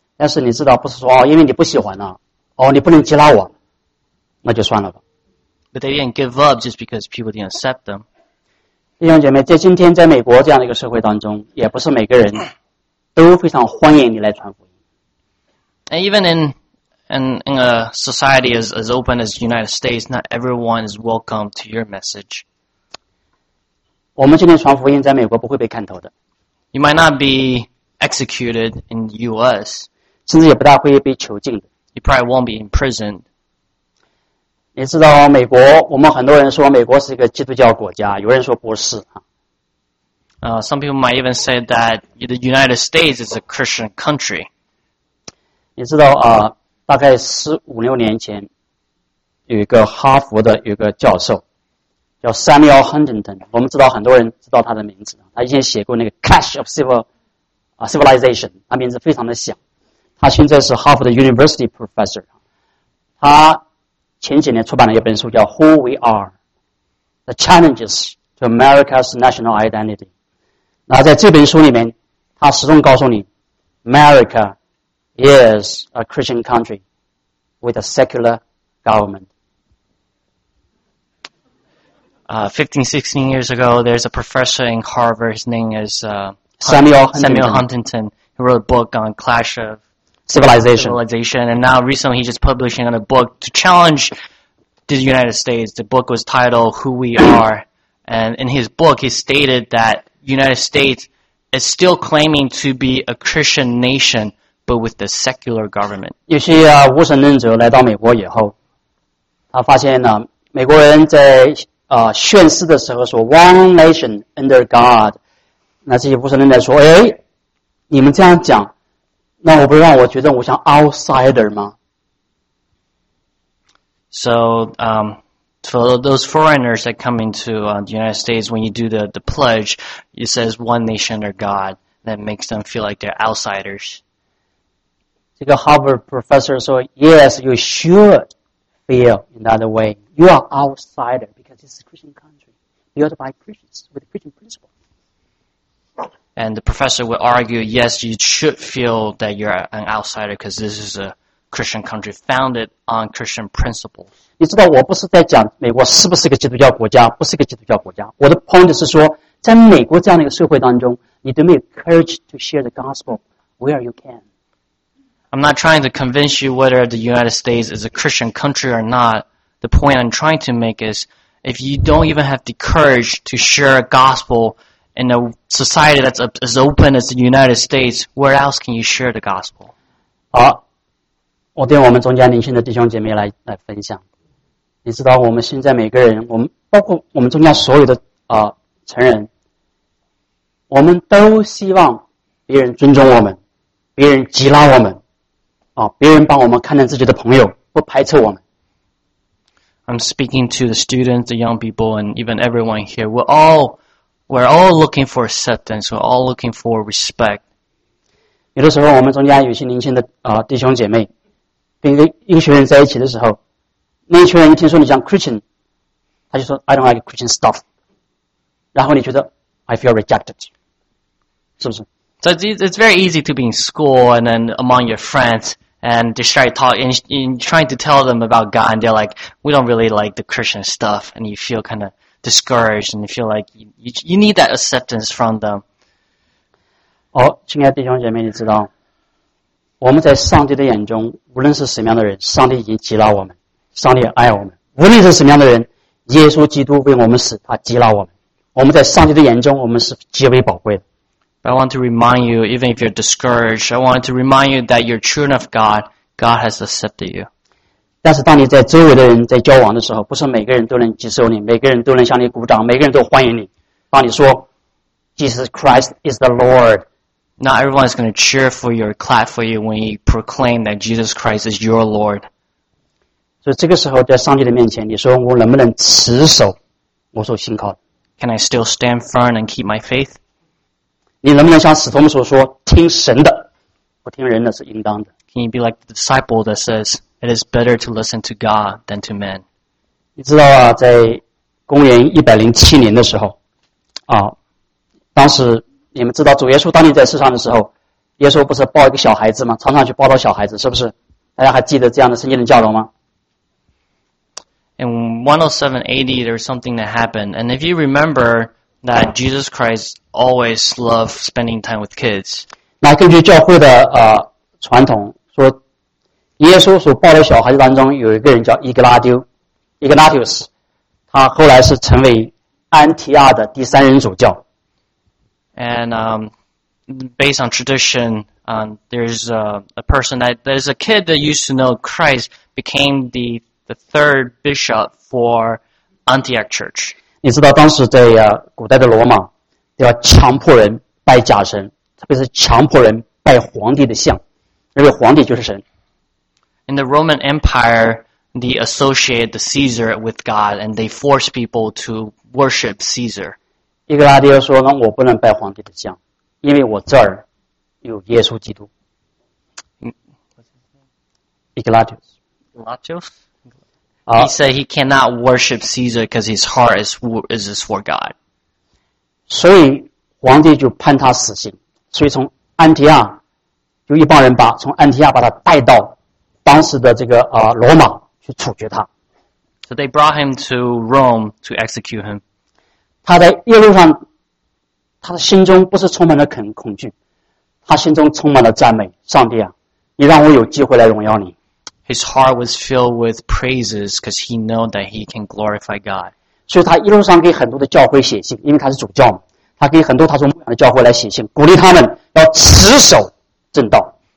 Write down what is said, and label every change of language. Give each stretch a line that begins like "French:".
Chinese: 但是你知道，不是说哦，因为你不喜欢啊，哦，你不能接纳我。那就算了吧。
English: But they didn't give up just because people didn't accept them.
Chinese: 弟兄姐妹，在今天在美国这样的一个社会当中，也不是每个人都非常欢迎你来传福音。
English: And even in a society as open as the United States, not everyone is welcome to your message.
Chinese: 我们今天传福音在美国不会被砍头的。
English: You might not be executed in the U.S.
Chinese: 甚至也不大会被囚禁的。
English: You probably won't be imprisoned.
Chinese: 你知道美国，我们很多人说美国是一个基督教国家，有人说不是。
English: Some people might even say that the United States is a Christian country.
Chinese: 你知道啊、大概十五六年前，有一个哈佛的有一个教授，叫 Samuel Huntington。我们知道很多人知道他的名字，他以前写过那个《Clash of Civilization》，他名字非常的响。他现在是哈佛的 University Professor， 他。前几年出版了一本书叫 Who We Are, The Challenges to America's National Identity. 那在这本书里面他始终告诉你
English: America is a Christian country with a secular government. 15-16 years ago, there's a professor in Harvard, his name is Samuel Huntington, who wrote a book on Clash of Civilization. And now recently he just published another book to challenge to the United States. The book was titled Who We Are. And in his book, he stated that the United States is still claiming to be a Christian nation, but with the secular government.
Chinese: 有些啊，无神论者来到美国以后，他发现呢，美国人在宣誓的时候说
English: "One nation under God"，
Chinese: 那这些无神论者说："哎，你们这样讲，那我不是让我觉得我像 outsider 吗？"
English: So, for those foreigners that come into the United States, when you do the pledge, it says "One nation under God," that makes them feel like they're outsiders.
Chinese: 这个
English: Harvard professor
Chinese: 说
English: "Yes, you should feel in that way. You are outsider because it's a Christian country. You are by Christians with Christian principles." And the professor would argue, "Yes, you should feel that you're an outsider because this is a Christian country founded on Christian principles."
Chinese: 你知道我不是在讲美国是不是个基督教国家，不是个基督教国家。我的 point 是说，在美国这样的一个社会当中，你都没有
English: courage to share the gospel where you can. I'm not trying to convince you whether the United States is a Christian country or not. The point I'm trying to make is, if you don't even have the courage to share a gospel in a society that's as open as the United States, where else can you share the gospel?
Chinese: 好，我对我们中间灵性的弟兄姐妹来分享。你知道我们现在每个人，我们包括我们中间所有的成人，我们都希望别人尊重我们，别人激励我们。别人帮我们看待自己的朋友，不排斥我们。
English: I'm speaking to the students, the young people, and even everyone here. We're all looking for acceptance. We're all looking for respect.
Chinese: 有的时候，我们中间有些年轻的弟兄姐妹，跟一个学员在一起的时候，那一群人一听说你讲 Christian， 他就说
English: I don't like Christian stuff。
Chinese: 然后你觉得
English: I feel rejected，
Chinese: 是不是？
English: So it's very easy to be in school and then among your friends and they start talking and trying to tell them about God and they're like, we don't really like the Christian stuff and you feel kind of discouraged and you feel like you need that acceptance from them.
Chinese: 哦，亲爱的弟兄姐妹，你知道，我们在上帝的眼中，无论是什么样的人，上帝已经接纳我们，上帝也爱我们。无论是什么样的人，耶稣基督为我们死，他接纳我们。我们在上帝的眼中，我们是极为宝贵的。
English: I want to remind you, even if you're discouraged, I want to remind you that you're children of God. God has accepted you.
Chinese: 但是当你在周围的人在交往的时候，不是每个人都能接受你，每个人都能向你鼓掌，每个人都欢迎你，帮你说
English: Jesus Christ is the Lord. Not everyone is going to cheer for you or clap for you when you proclaim that Jesus Christ is your Lord.
Chinese: 所以这个时候在上帝的面前，你说我能不能持守我所信靠的？
English: Can I still stand firm and keep my faith?
Chinese: 你能不能像使徒们所说，听神的，不听人的是应当的
English: ？Can you be like the disciple that says it is better to listen to God than to man？
Chinese: 你知道啊，在公元107年的时候，当时你们知道主耶稣当年在世上的时候，耶稣不是抱一个小孩子吗？常常去抱到小孩子，是不是？大家还记得这样的圣经的教导吗？
English: In 107 AD, there's something that happened, and if you remember. That Jesus Christ always loved spending time with kids.
Chinese: 那根据教会的传统说，耶稣所抱的小孩子当中有一个人叫Ignatius， 他后来是成为安提亚的第三人主教。
English: And based on tradition, there's a person that is a kid that used to know Christ became the third bishop for Antioch Church.
Chinese: 你知道当时在古代的罗马都要强迫人拜假神，特别是强迫人拜皇帝的像，因为皇帝就是神。
English: In the Roman Empire, they associate the Caesar with God, and they force people to worship Caesar.
Chinese: 伊格拉迪说呢，我不能拜皇帝的像，因为我这儿有耶稣基督。
English: Ignatius. He said he cannot worship Caesar because his heart is for God.
Chinese: 所以皇帝就判他死刑。所以从安提亚，就一帮人把从安提亚把他带到当时的这个罗马去处决他。
English: So they brought him to Rome to execute him.
Chinese: 他在一路上，他的心中不是充满了恐惧，他心中充满了赞美。上帝啊，你让我有机会来荣耀你。
English: His heart was filled with praises because he knew that he can glorify God.
Chinese: 所以他一路上给很多的教会写信，因为他是主教嘛，他给很多他所牧养的教会来写信，鼓励他们要持守正道。